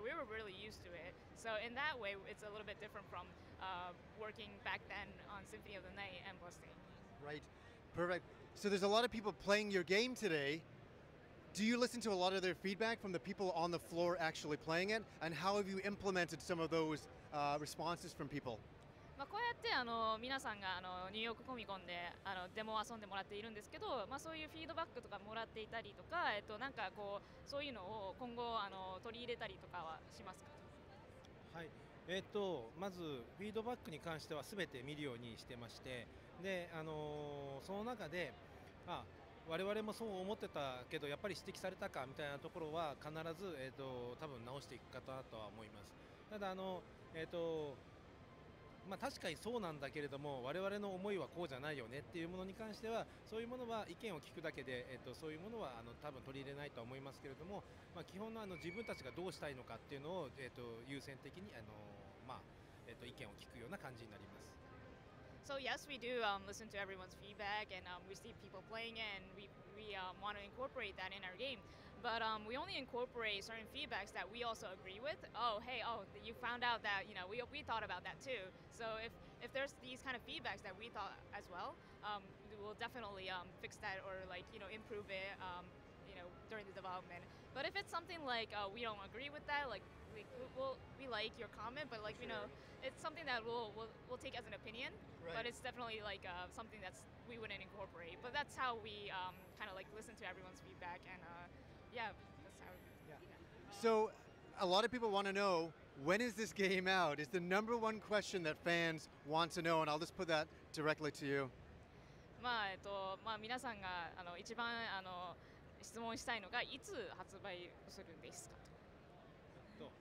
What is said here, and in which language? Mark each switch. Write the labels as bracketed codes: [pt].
[en] So we were really used to it. So in that way, it's a little bit different from working back then on Symphony of the Night and Bloodstained. Right. Perfect. So there's a lot of people playing your game today. Do you listen to a lot of their feedback from the people on the floor actually playing it? And how have you implemented some of those responses from people? [ja] まあ、こうやってあの皆さんがあのニューヨークコミコンであのデモを遊んでもらっているんですけど、まあ、そういうフィードバックとかもらっていたりとか、なんかこうそういうのを今後あの取り入れたりとかはしますか？はい、まずフィードバックに関しては全て見るようにしてまして、で、その中で、あ、我々もそう思ってたけどやっぱり指摘されたかみたいなところは必ず、多分直していく方だとは思います。ただあの、まあ、確かにそうなんだけれども我々の思いはこうじゃないよねっていうものに関してはそういうものは意見を聞くだけで、そういうものはあの多分取り入れないとは思いますけれども、まあ、基本 の, あの自分たちがどうしたいのかっていうのを、優先的にあの、まあ意見を聞くような感じになります。 [en] So yes, we do listen to everyone's feedback, and we see people playing it, and we want to incorporate that in our game. But we only incorporate certain feedbacks that we also agree with. Oh, hey, oh, you found out that, you know, we thought about that too. So if there's these kind of feedbacks that we thought as well, we'll definitely fix that or, like, you know, improve it, you know, during the development. But if it's something like we don't agree with that, like, we like your comment, but like, you know, it's something that we'll take as an opinion, right. But it's definitely like something that we wouldn't incorporate. But that's how we kind of like listen to everyone's feedback, and that's how. So a lot of people want to know, when is this game out? Is the number one question that fans want to know, and I'll just put that directly to you. [ja] まあ皆さんがあの一番あの質問したいのがいつ発売するんですかと。